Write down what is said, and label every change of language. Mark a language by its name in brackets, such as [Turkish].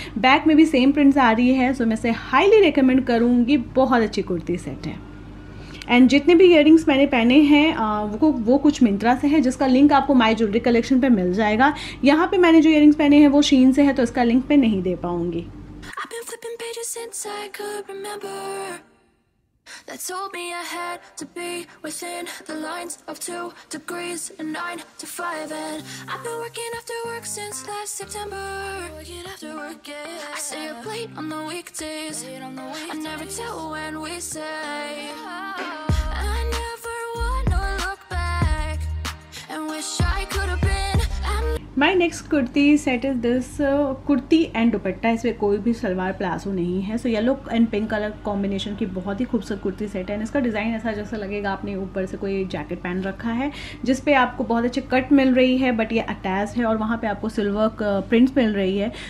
[Hindi] Back में भी same prints आ रही है, सो मैं इसे हाईली रिकमेंड करूँगी, बहुत अच्छी कुर्ती सेट है। एंड जितने भी ईयरिंग्स मैंने पहने हैं वो कुछ मिंत्रा से है, जिसका लिंक आपको माय ज्वेलरी कलेक्शन पे मिल जाएगा। यहाँ पे मैंने जो ईयरिंग्स पहने हैं वो शीन से है, तो इसका लिंक मैं नहीं दे पाऊँगी। [English] I've been flipping pages since I could remember. That told me I had to be within the lines of 2 degrees and 9 to 5. And I've been working after work since last September. Working after work, yeah. I stay up late on the weekdays. I never tell when we say. I never wanna look back and wish I could have been. My next kurti set is this kurti and dupatta, [Hindi] इसमें कोई भी salwar palazzo नहीं है। So yellow and pink colour combination की बहुत ही खूबसूरत kurti set है। इसका डिज़ाइन ऐसा जैसा लगेगा आपने ऊपर से कोई जैकेट पहन रखा है, जिस पे आपको बहुत अच्छे कट मिल रही है, बट ये अटैच है और वहाँ पे आपको सिल्वर प्रिंट्स मिल रही है।